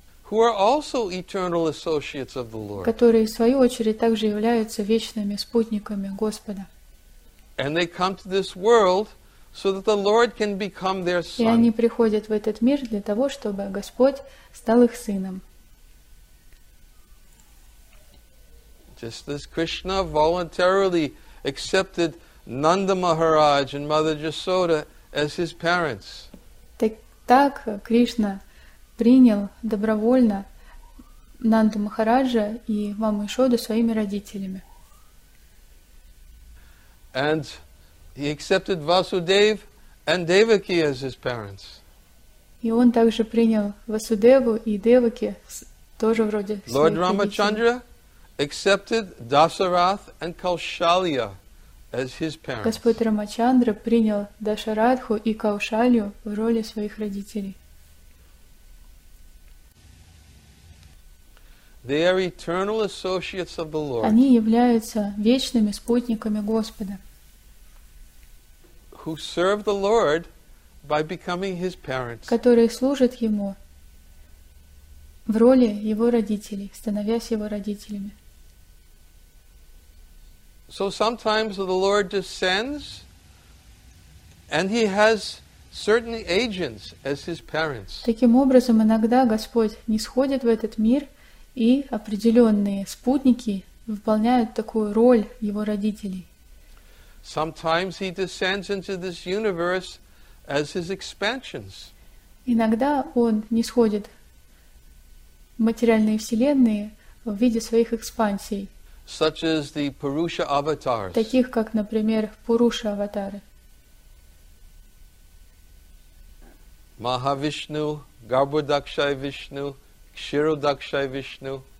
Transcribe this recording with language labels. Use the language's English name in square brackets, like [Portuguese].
[English] Who are also eternal associates of the Lord. [Russian] Которые в свою очередь также являются вечными спутниками Господа. [English] And they come to this world so that the Lord can become their son. [Russian] И они приходят в этот мир для того, чтобы Господь стал их сыном. [English] Just as Krishna voluntarily accepted Nanda Maharaj and Mother Jasoda as his parents. [Russian] Так Кришна принял добровольно Нанду Махараджа и маму Ишоду своими родителями. [English] And he accepted Vasudev and Devaki as his parents. [Russian] И он также принял Васудеву и Деваки тоже вроде своих [English] Lord Ramachandra [Russian] родителей. [English] Accepted Dasarath and Kaushalya as his parents. [Russian] Господь Рамачандра принял Дашарадху и Каушалью в роли своих родителей. [English] They are eternal associates of the Lord. [Russian] Они являются вечными спутниками Господа. [English] Who serve the Lord by becoming His parents. [Russian] Которые служат Ему в роли Его родителей, становясь Его родителями. [English] So sometimes the Lord descends, and He has certain agents as His parents. [Russian] Таким образом, иногда Господь нисходит в этот мир, и определенные спутники выполняют такую роль Его родителей. [English] Sometimes He descends into this universe as His expansions. [Russian] Иногда Он нисходит в материальные вселенные в виде своих экспансий. [English] Such as the Purusha avatars. [Russian] Таких как, например, Пуруша аватары. Махавишну, Гарбхадакшай Вишну, Кширодакшай Вишну.